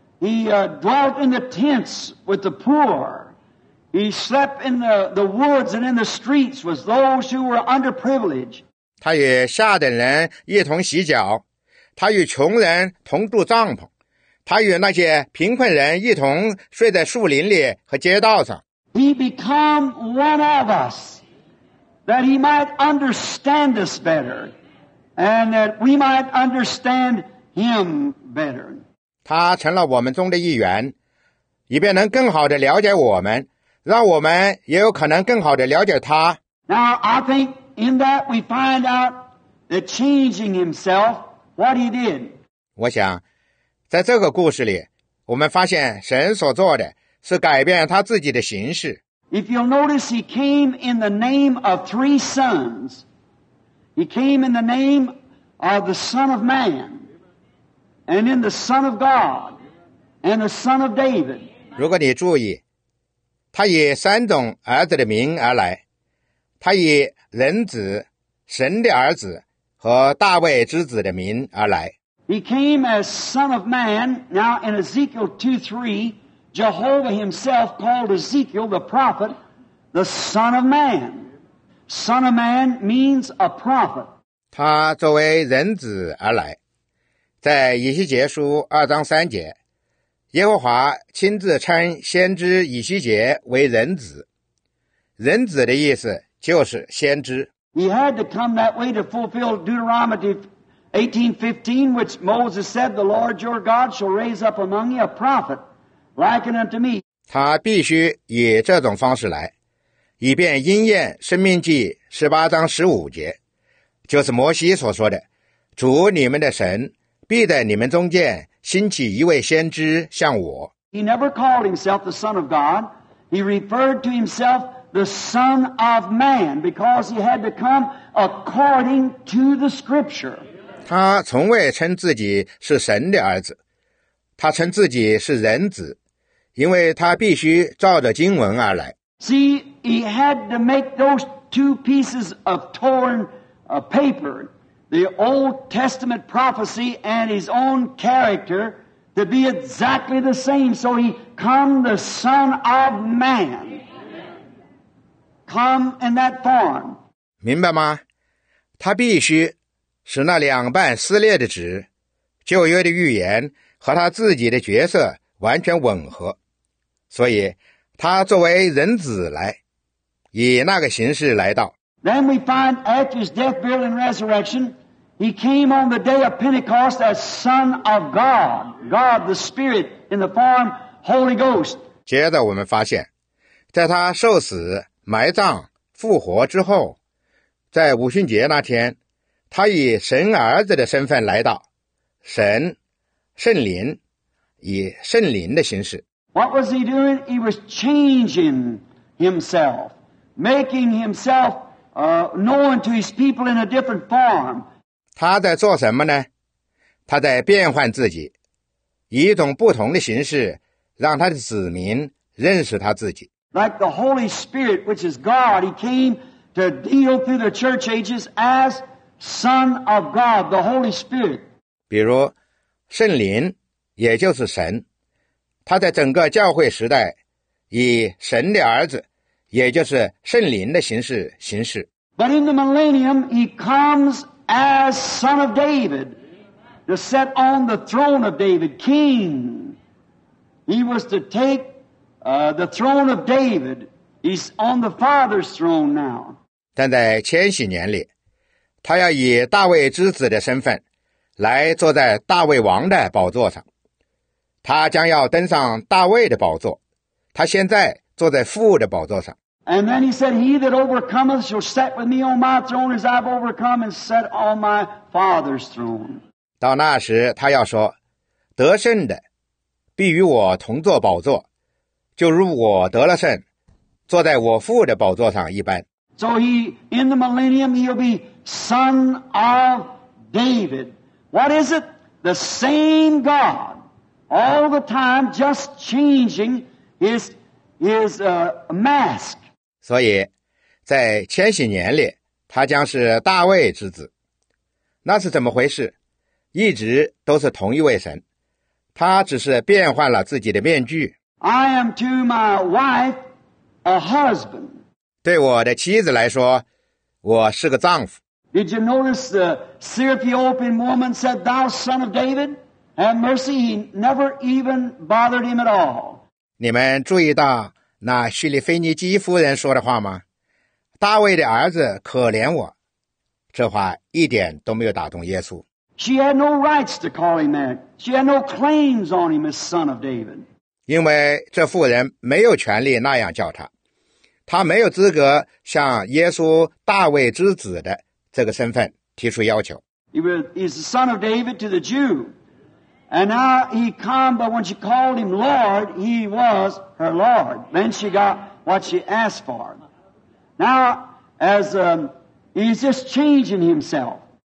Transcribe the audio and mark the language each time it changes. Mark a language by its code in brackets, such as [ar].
[en] He dwelt in the tents with the poor. He slept in the woods and in the streets with those who were underprivileged. [zh] 他与下等人一同洗脚，他与穷人同住帐篷，他与那些贫困人一同睡在树林里和街道上。 [en] He became one of us, that he might understand us better, and that we might understand him better. [zh] 他成了我们中的一员，以便能更好地了解我们，让我们也有可能更好地了解他。 [en] Now, I think in that we find out the changing himself, what he did. [zh] 我想，在这个故事里，我们发现神所做的是改变他自己的形式。 [en] If you'll notice, he came in the name of three sons. He came in the name of the Son of Man. And in the Son of God, and the son of David. [zh] 如果你注意，他以三种儿子的名而来，他以人子、神的儿子和大卫之子的名而来。 [en] He came as son of man. Now in Ezekiel 2:3, Jehovah himself called Ezekiel the prophet, the son of man. Son of man means a prophet. [zh] 他作为人子而来，在以西结书二章三节，耶和华亲自称先知以西结为人子。人子的意思就是先知。 [en] He had to come that way to fulfill Deuteronomy 18:15, which Moses said, "The Lord your God shall raise up among you a prophet, likened unto me." [zh] 他必须以这种方式来，以便应验《申命记》十八章十五节，就是摩西所说的：“主你们的神必在你们中间兴起一位先知，像我。” [en] He never called himself the Son of God. He referred to himself. The Son of Man, because he had to come according to the Scripture. [zh] 他从未称自己是神的儿子，他称自己是人子，因为他必须照着经文而来。 [en] See, he had to make those two pieces of torn paper, the Old Testament prophecy and his own character, to be exactly the same. So he come the Son of Man. Come in that form. [zh] 明白吗？他必须使那两半撕裂的纸，旧约的预言和他自己的角色完全吻合，所以他作为人子来，以那个形式来到。 [en] Then we find after his death, burial, and resurrection, he came on the day of Pentecost as Son of God, God the Spirit in the form Holy Ghost. [zh] 接着我们发现，在他受死。埋葬复活之后，在五旬节那天，他以神儿子的身份来到，神、圣灵，以圣灵的形式。 [en] What was he doing? He was changing himself, making himself known to his people in a different form. [zh] 他在做什么呢？他在变换自己，以一种不同的形式，让他的子民认识他自己。 [en] Like the Holy Spirit, which is God, He came to deal through the church ages as Son of God, the Holy Spirit. [zh] 比如，圣灵，也就是神，他在整个教会时代，以神的儿子，也就是圣灵的形式行事。 [en] But in the millennium, He comes as Son of David, to sit on the throne of David, King. He was to take. The throne of David is on the Father's throne now. [zh] 但在千禧年里，他要以大卫之子的身份来坐在大卫王的宝座上。他将要登上大卫的宝座。他现在坐在父的宝座上。 [en] And then he said, "He that overcometh shall sit with me on my throne, as I've overcome and sat on my Father's throne." [zh] 到那时，他要说，得胜的必与我同坐宝座。就如我得了胜，坐在我父的宝座上一般。 [en] So he in the millennium he'll be son of David. What is it? The same God, all the time just changing his mask. [zh] 所以，在千禧年里，他将是大卫之子。那是怎么回事？一直都是同一位神，他只是变换了自己的面具。 [en] I am to my wife a husband. [zh] 对我的妻子来说，我是个丈夫。 [en] Did you notice the Syrophoenician woman said, "Thou son of David, have mercy"? He never even bothered him at all. [zh] 你们注意到那叙利腓尼基夫人说的话吗？大卫的儿子，可怜我。这话一点都没有打动耶稣。 [en] She had no rights to call him that. She had no claims on him as son of David. [zh] 因为这妇人没有权利那样叫他，他没有资格向耶稣大卫之子的这个身份提出要求。 [en] He's the son of David to the Jew, and now he come. But when she called him Lord, he was her Lord. Then she got what she asked for. Now, as he's just changing himself.